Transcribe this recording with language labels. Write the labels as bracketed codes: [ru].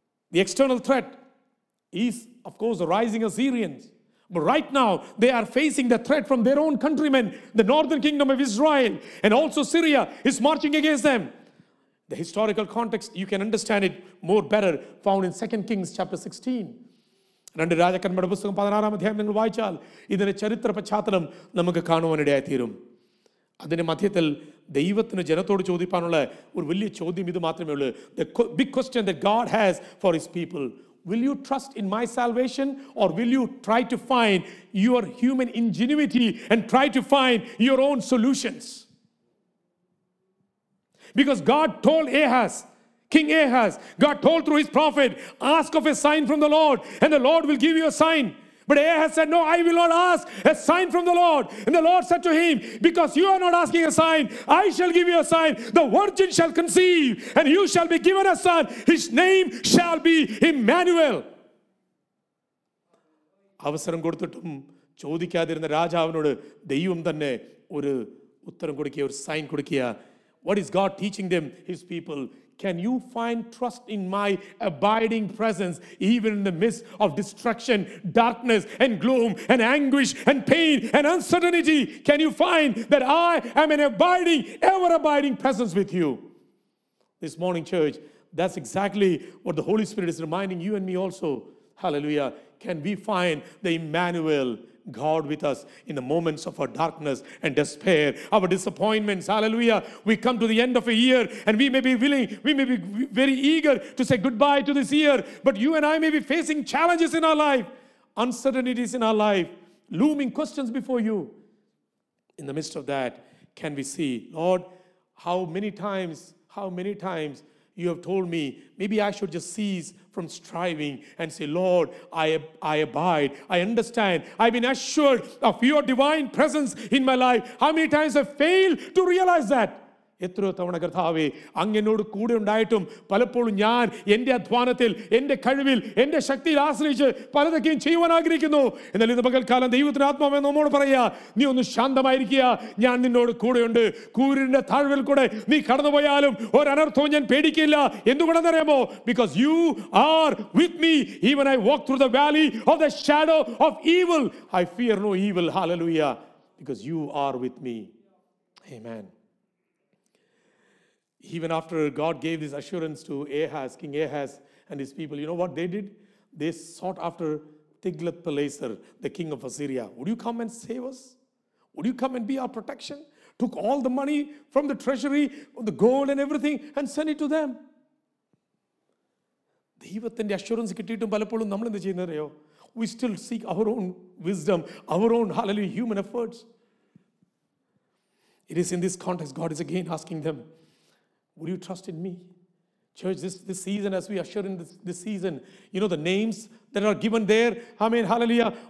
[en] The external threat is, of course, the rising Assyrians. But right now, they are facing the threat from their own countrymen, the northern kingdom of Israel, and also Syria is marching against them. The historical context, you can understand it more better, found in 2 Kings chapter 16. [ml] രണ്ട് രാജാക്കന്മാരുടെ പുസ്തകം 16-ാം അധ്യായം നിങ്ങൾ വായിച്ചാൽ ഇതിൻ്റെ ചരിത്ര പശ്ചാത്തലം നമുക്ക് കാണുവാനിടയായി തീരും. അതിൻ്റെ മധ്യത്തിൽ ദൈവത്തിന് ജനത്തോട് ചോദിപ്പാനുള്ള ഒരു വലിയ ചോദ്യം ഇത് മാത്രമേ ഉള്ളൂ. [en] The big question the God has for his people: Will you trust in my salvation, or will you try to find your human ingenuity and try to find your own solutions? Because God told Ahaz, King Ahaz, God told through his prophet, ask of a sign from the Lord and the Lord will give you a sign. But Ahaz said, no, I will not ask a sign from the Lord. And the Lord said to him, because you are not asking a sign, I shall give you a sign. The virgin shall conceive and you shall be given a son. His name shall be Emmanuel. [ml] അവസരം കൊടുത്തിട്ടും ചോദിക്കാതിരുന്ന രാജാവിനോട് ദൈവം തന്നെ ഒരു ഉത്തരം കൊടുക്കുക, ഒരു sign കൊടുക്കുക. [en] What is God teaching them, his people? Can you find trust in my abiding presence even in the midst of destruction, darkness, and gloom, and anguish, and pain, and uncertainty? Can you find that I am an abiding, ever-abiding presence with you? This morning, church, that's exactly what the Holy Spirit is reminding you and me also. Hallelujah. Can we find the Emmanuel, God with us in the moments of our darkness and despair, our disappointments? Hallelujah. We come to the end of a year and we may be very eager to say goodbye to this year, but you and I may be facing challenges in our life, uncertainties in our life, looming questions before you. In the midst of that, can we see, Lord, how many times you have told me, maybe I should just cease from striving and say, Lord, I abide. I understand. I've been assured of your divine presence in my life. How many times I failed to realize that? [ml] എത്രയോ തവണ കർത്താവേ, അങ്ങനോട് കൂടെ ഉണ്ടായിട്ടും പലപ്പോഴും ഞാൻ എൻ്റെ അധ്വാനത്തിൽ, എൻ്റെ കഴിവിൽ, എൻ്റെ ശക്തിയിൽ ആശ്രയിച്ച് പലതൊക്കെയും ചെയ്യുവാൻ ആഗ്രഹിക്കുന്നു. എന്നാലും ഇന്ന് പകൽക്കാലം ദൈവത്തിൻ്റെ ആത്മാവേ നമ്മോട് പറയുക, നീ ഒന്ന് ശാന്തമായിരിക്കുക, ഞാൻ നിന്നോട് കൂടെയുണ്ട്. കൂരിൻ്റെ താഴ്വിൽ കൂടെ നീ കടന്നുപോയാലും ഒരനർത്ഥവും ഞാൻ പേടിക്കില്ല. എന്തുകൊണ്ടെന്ന് അറിയാമോ? [en] Because you are with me even I walk through the valley of the shadow of evil. I fear no evil. Hallelujah. Because you are with me. Amen. Even after God gave this assurance to Ahaz, King Ahaz and his people, you know what they did? They sought after Tiglath-Pileser, the king of Assyria. Would you come and save us? Would you come and be our protection? Took all the money from the treasury, the gold and everything, and sent it to them. [ml] ദൈവത്തിൻ്റെ assurance കിട്ടിയിട്ടും പലപ്പോഴും നമ്മൾ എന്ത് ചെയ്യുന്ന അറിയോ? [en] We still seek our own wisdom, our own hallelujah, human efforts. It is in this context God is again asking them, would you trust in me? Church, this season, as we usher in this season, you know the names that are given there? I mean, hallelujah.